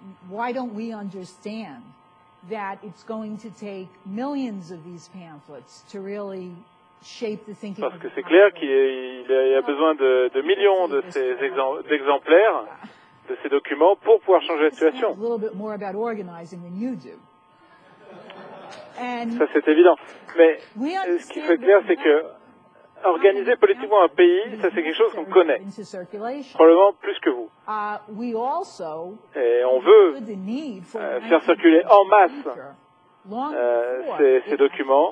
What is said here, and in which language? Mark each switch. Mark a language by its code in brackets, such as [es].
[en] Why don't we understand that it's going to take millions of these pamphlets to really shape the thinking? [fr] Parce que c'est clair qu'il y a besoin de millions de ces exemplaires, de ces documents, pour pouvoir changer la situation. [en] A little bit more about organizing than you do. [fr] Ça, c'est évident. Mais ce qui fait clair, c'est que organiser politiquement un pays, ça c'est quelque chose qu'on connaît, probablement plus que vous. Et on veut faire circuler en masse ces documents.